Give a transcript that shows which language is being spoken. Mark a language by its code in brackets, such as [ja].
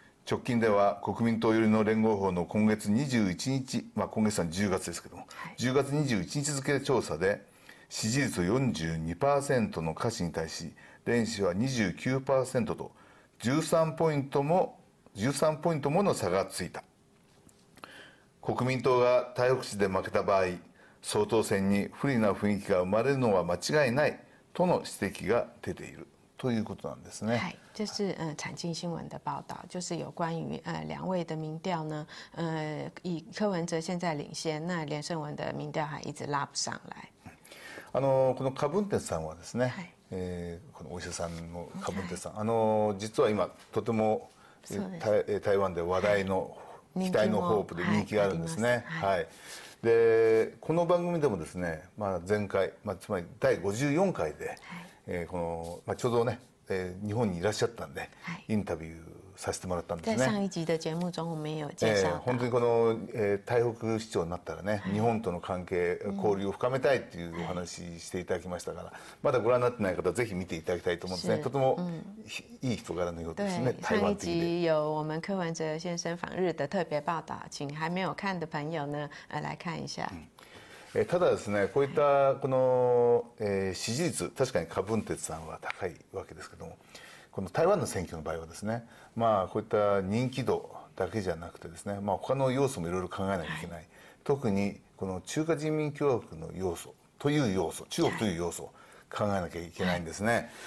[ja] 直近では国民党寄りの連合法の今月21日、まあ、今月は10月ですけども、10月21日付で調査で支持率 42% の柯氏に対し、連氏は 29% と13ポイントもの差がついた。国民党が台北市で負けた場合、総統選に不利な雰囲気が生まれるのは間違いないとの指摘が出ているということなんですね。 [zh] 这是产经新闻的报道，就是有关于两位的民调呢，以柯文哲现在领先，那连胜文的民调还一直拉不上来。 [ja] この柯文哲さんはですね、このお医者さんの柯文哲さん、実は今とても台湾で話題の期待のホープで人気があるんですね。でこの番組でもですね、まあ、前回、まあ、つまり第54回で、この、まあ、ちょうどね、日本にいらっしゃったんで、インタビューさせてもらったんですね。 [zh] 在上一集的节目中我们也有介绍。 [ja] 本当にこの、台北市長になったらね、日本との関係交流を深めたいっていうお話していただきましたから、まだご覧になってない方はぜひ見ていただきたいと思うんですね。とてもいい人柄のようですね。 [zh] 台湾的。上一集有我们柯文哲先生访日的特别报道，请还没有看的朋友呢，来看一下。 [ja] ただですね、こういったこの、支持率、確かに柯文哲さんは高いわけですけども、この台湾の選挙の場合はですね、まあ、こういった人気度だけじゃなくてですね、まあ、他の要素もいろいろ考えなきゃいけない。特にこの中華人民共和国の要素という要素、中国という要素を考えなきゃいけないんですね。